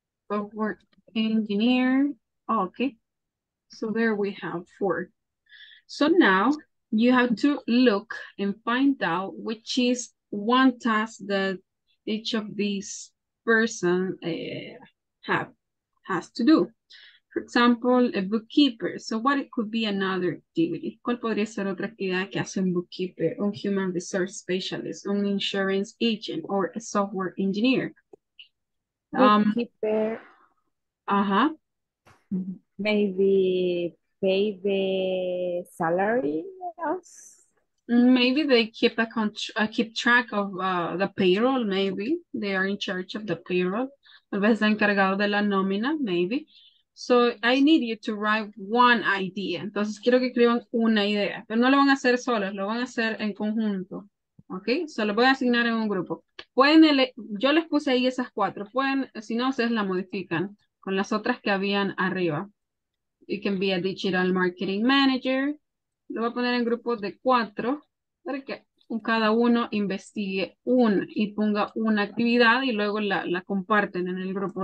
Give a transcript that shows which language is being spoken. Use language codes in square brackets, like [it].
[en] Software engineer. Oh, okay, so there we have four. So now you have to look and find out which is one task that each of these person has to do. For example, a bookkeeper. So what it could be another activity? [es] ¿Cuál podría ser otra actividad que hace un bookkeeper, un human resource specialist, un [en] insurance agent, or a software engineer? Bookkeeper. Uh-huh. Maybe pay the salary. Maybe they keep keep track of the payroll. Maybe they are in charge of the payroll. [es] Tal vez está encargado de la nómina. [en] Maybe. So I need you to write one idea. [es] Entonces quiero que escriban una idea. Pero no lo van a hacer solos. Lo van a hacer en conjunto. Ok, se lo voy a asignar en un grupo. Pueden, yo les puse ahí esas cuatro. Pueden, si no, ustedes la modifican con las otras que habían arriba. [en] It can be a digital marketing manager. [es] Lo voy a poner en grupos de cuatro para que cada uno investigue una y ponga una actividad y luego la comparten en el grupo.